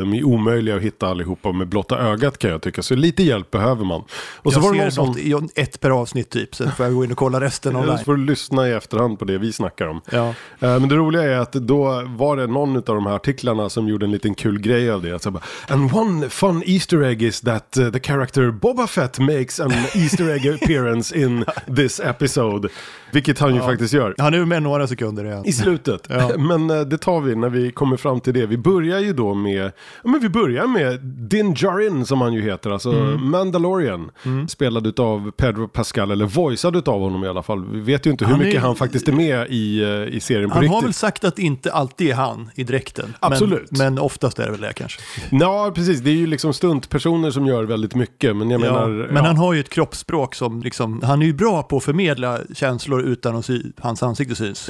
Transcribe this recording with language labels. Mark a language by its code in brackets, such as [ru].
[sv] Mm. De är omöjliga att hitta allihopa med blotta ögat, kan jag tycka. Så lite hjälp behöver man. Och så jag var det någon som... ett per avsnitt typ, så får jag gå in och kolla resten av det. Så får du lyssna i efterhand på det vi snackar om. Ja. Men det roliga är att då var det någon av de här artiklarna som gjorde en liten kul grej av det. Så bara, [en] and one fun easter egg is that the character Boba Fett makes an easter egg appearance in this episode. [sv] Vilket han ju faktiskt gör. Han är med några sekunder igen. I slutet. Ja. Men det tar vi när vi kommer fram till det. Vi börjar ju då med, men vi börjar med Din Djarin, som han ju heter. Alltså Mandalorian. Mm. Spelad av Pedro Pascal, eller voicead av honom i alla fall. Vi vet ju inte hur mycket han faktiskt är med i serien på han riktigt. Han har väl sagt att inte alltid är han i dräkten. Absolut. Men oftast är det väl det kanske. Ja, precis. Det är ju liksom stuntpersoner som gör väldigt mycket. Men jag menar... Men han har ju ett kroppsspråk som liksom... Han är ju bra på att förmedla känslor utan att hans ansikte syns.